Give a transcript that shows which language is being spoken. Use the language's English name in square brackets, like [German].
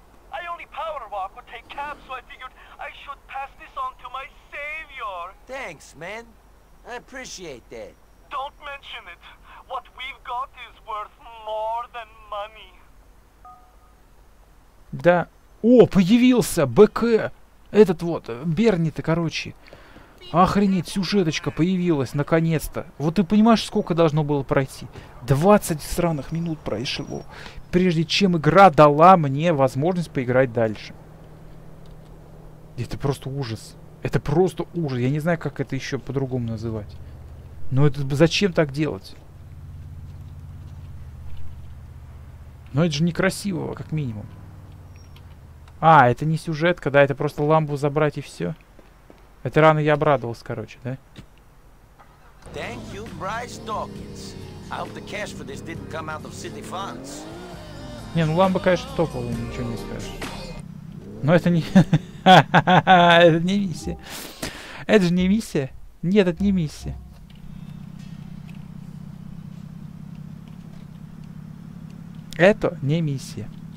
[English] I only power walk or take cabs, so I figured I should pass this on to my savior. Thanks, man. I appreciate that. Don't mention it. What we've got is worth more than money. [Russian] Да. О, появился БК. Этот вот, Берни-то, короче. Охренеть, сюжеточка появилась, наконец-то. Вот ты понимаешь, сколько должно было пройти? 20 сраных минут прошло, прежде чем игра дала мне возможность поиграть дальше. Это просто ужас. Это просто ужас. Я не знаю, как это еще по-другому называть. Но это зачем так делать? Но это же некрасиво, как минимум. А, это не сюжетка, да, это просто ламбу забрать и все. Это рано я обрадовался, короче, да? [English] Thank you, Bryce Dawkins. I hope the cash for this didn't come out of city funds. [Russian] Не, ну ламба, конечно, топовая, ничего не скажешь. Но это не... это не миссия. Это же не миссия. Нет, это не миссия. Это не миссия.